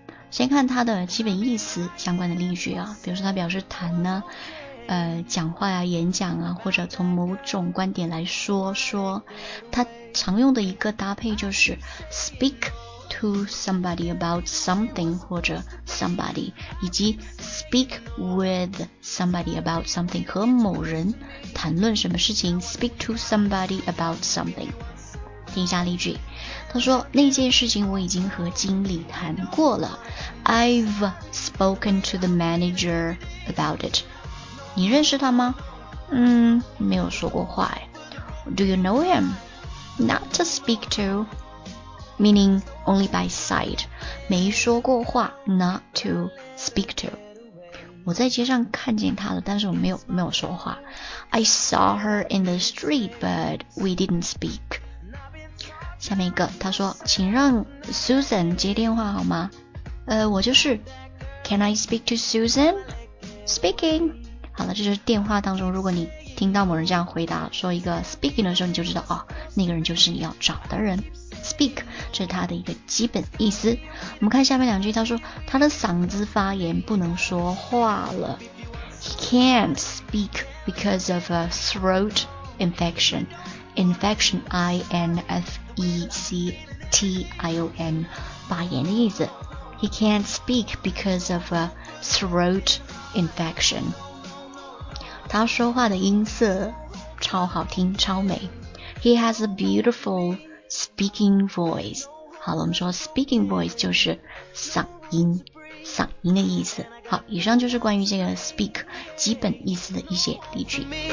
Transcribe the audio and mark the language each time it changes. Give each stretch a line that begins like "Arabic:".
Chinese: 先看它的基本意思相关的例句啊，比如说它表示谈呢、讲话啊、演讲啊，或者从某种观点来说说。它常用的一个搭配就是
English: speak to somebody about something
Chinese: 或者 somebody， 以及
English: speak with somebody about something，
Chinese: 和某人谈论什么事情。
English: speak to somebody about something。
Chinese: 听一下例句，他说那件事情我已经和经理谈过了。
English: I've spoken to the manager about it。
Chinese: 你认识他吗？没有说过话。
English: Do you know him? Not to speak to。 Meaning only by sight，
Chinese: 没说过话
English: ，not to speak to。
Chinese: 我在街上看见她了，但是我没有说话。
English: I saw her in the street, but we didn't speak。
Chinese: 下面一个，他说，请让 Susan 接电话好吗？我就是。
English: Can I speak to Susan? Speaking。
Chinese: 好了，这就是电话当中，如果你听到某人这样回答说一个 speaking 的时候，你就知道哦，那个人就是你要找的人。 Speak 这是他的一个基本意思。我们看下面两句，他说他的嗓子发炎不能说话了。
English: He can't speak because of a throat infection。 Infection I-N-F-E-C-T-I-O-N
Chinese: 发炎的意思。
English: He can't speak because of a throat infection.
Chinese: 他说话的音色超好听，超美。
English: He has a beautiful speaking voice.
Chinese: 好了，我们说 speaking voice 就是嗓音，嗓音的意思。好，以上就是关于这个 speak 基本意思的一些例句。